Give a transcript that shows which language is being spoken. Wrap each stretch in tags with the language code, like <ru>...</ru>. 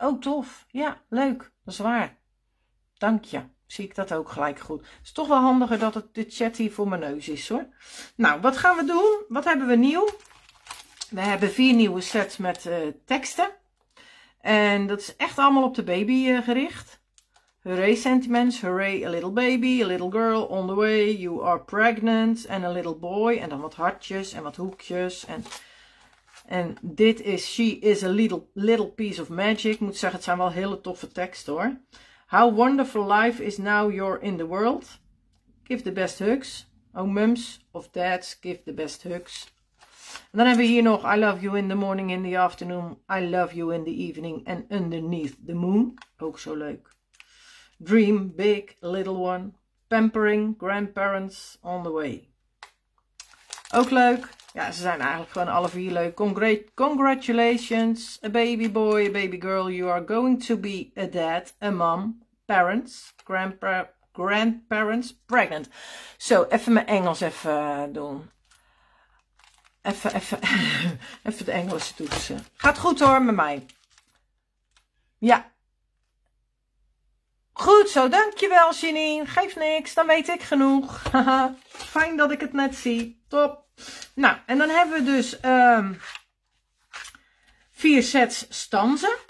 <nl>Oh, tof. Ja, leuk. Dat is waar. Dank je. Zie ik dat ook gelijk goed. Het is toch wel handiger dat het de chat hier voor mijn neus is hoor. Nou, wat gaan we doen? Wat hebben we nieuw? We hebben 4 nieuwe sets met teksten. En dat is echt allemaal op de baby gericht.</nl> <en>Hooray sentiments, hooray a little baby, a little girl on the way, you are pregnant, and a little boy.</en> <nl>En dan wat hartjes en wat hoekjes. En dit is,</nl> <en>she is a little piece of magic.</en> <nl>Ik moet zeggen, het zijn wel hele toffe teksten hoor.</nl> <en>How wonderful life is now you're in the world. Give the best hugs. Oh mums of dads, give the best hugs.</en> <nl>En dan hebben we hier nog,</nl> <en>I love you in the morning, in the afternoon. I love you in the evening and underneath the moon.</en> <nl>Ook zo leuk.</nl> <en>Dream big, little one. Pampering grandparents on the way.</en> <nl>Ook leuk. Ja, ze zijn eigenlijk gewoon alle vier leuk.</nl> <en>Congratulations, a baby boy, a baby girl. You are going to be a dad, a mom, parents, grandparents, pregnant.</en> <nl>Zo, even mijn Engels even doen. Even de Engelse toetsen. Gaat goed hoor met mij. Ja. Goed zo, dankjewel Janine. Geeft niks, dan weet ik genoeg. Fijn dat ik het net zie. Top. Nou, en dan hebben we dus 4 sets stanzen.</nl>